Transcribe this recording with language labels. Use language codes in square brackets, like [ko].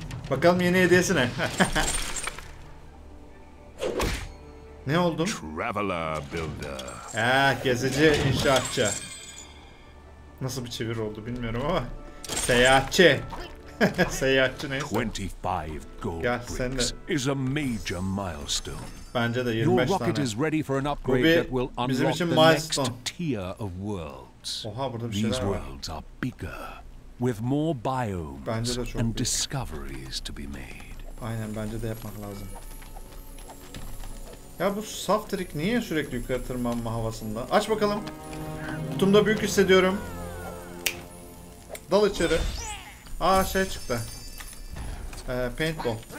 [tr] Bakalım yeni hediyesi ne? Ne oldum? Traveler Builder. Gezici inşaatçı. Nasıl bir çevir oldu bilmiyorum ama. Seyahatçi. Seyahatçi neyse. [en] 25 gold bricks is a major milestone. [tr] Bence de 25 tane. [en] Your rocket is ready for an upgrade that will unlock the next tier of worlds. [tr] Oha burada bir şeyler var. [en] These worlds are bigger with more biomes and discoveries to be made. [tr] Aynen bence de yapmak lazım. Ya bu soft trick niye sürekli yukarı tırmanma havasında? Aç bakalım. Kutumda büyük hissediyorum. Dal içeri. Aa şey çıktı. Paintball.